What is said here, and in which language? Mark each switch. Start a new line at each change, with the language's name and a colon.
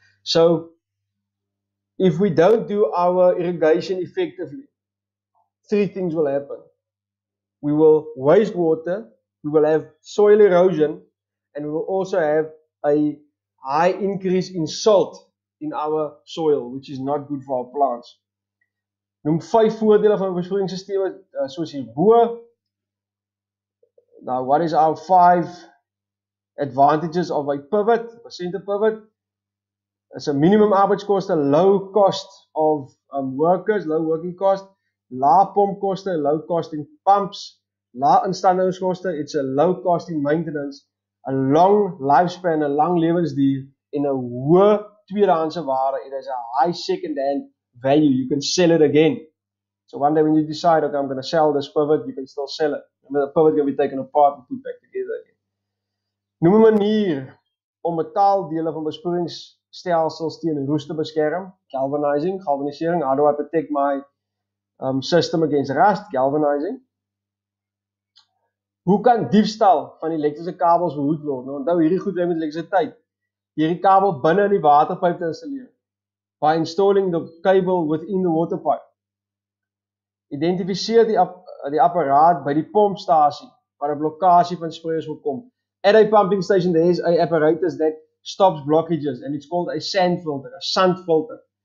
English: So, if we don't do our irrigation effectively, 3 things will happen. We will waste water, we will have soil erosion, and we will also have a high increase in salt in our soil, which is not good for our plants.
Afrikaans: Noem 5 voordele van besproeiingssisteme, soos hierbo.
English: Now, what is our 5 advantages of a pivot, a center pivot? It's a minimum arbeidskoste, low cost of workers, low working cost, low pump cost, low cost in pumps, low instandhoudingskoste, it's a low cost in maintenance, a long lifespan, a long lewensduur, in a
Afrikaans: hoë tweedehandse waarde,
English: it has a high second hand value, you can sell it again. So one day when you decide, okay, I'm going to sell this pivot, you can still sell it. And the pivot can be taken apart and put back together again.
Afrikaans: Noem 'n manier om metaaldele van besproeiingsstelsels teen roes te beskerm.
English: Galvanizing, galvanisering. How do I protect my system against rust? Galvanizing.
Afrikaans: Hoe kan diefstal van elektriese kabels behoed word? Nou, onthou hierdie goed met elektrisiteit. Hierdie kabel binne in die waterpyp te installeer.
English: By installing the cable within the water pipe.
Afrikaans: Identifiseer die apparaat by die pompstasie waar 'n blokkade van sproeiers wil kom.
English: At a pumping station there is a apparatus that stops blockages and it's called a sand filter, a sand filter.